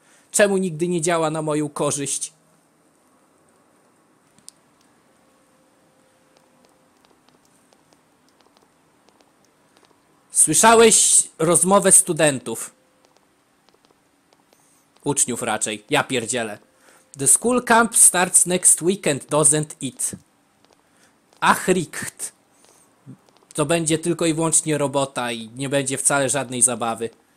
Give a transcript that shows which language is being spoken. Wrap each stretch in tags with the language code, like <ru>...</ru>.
<pl>Czemu nigdy nie działa na moją korzyść? Słyszałeś rozmowę studentów. Uczniów raczej, ja pierdzielę.</pl> <en>The school camp starts next weekend, doesn't it? Ach, richt.</en> <pl>To będzie tylko i wyłącznie robota i nie będzie wcale żadnej zabawy.</pl>